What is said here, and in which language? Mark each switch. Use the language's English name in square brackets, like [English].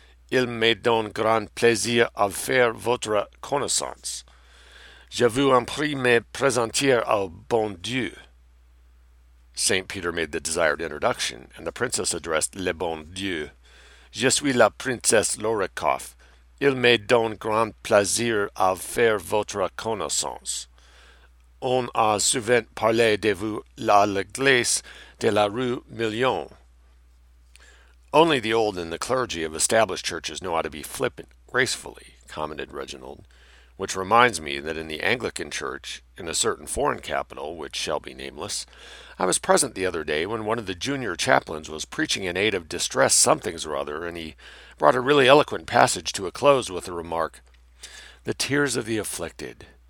[French] Il me donne grand plaisir à faire votre connaissance. Je vous en prie me présenter au bon Dieu. [English] St. Peter made the desired introduction, and the princess addressed [French] le bon Dieu. Je suis la princesse Lorikoff. Il me donne grand plaisir à faire votre connaissance. On a souvent parlé de vous à l'église de la rue Million. [English] Only the old and the clergy of established churches know how to be flippant gracefully, commented Reginald, which reminds me that in the Anglican church, in a certain foreign capital, which shall be nameless, I was present the other day when one of the junior chaplains was preaching in aid of distressed somethings or other, and he brought a really eloquent passage to a close with the remark, "The tears of the afflicted...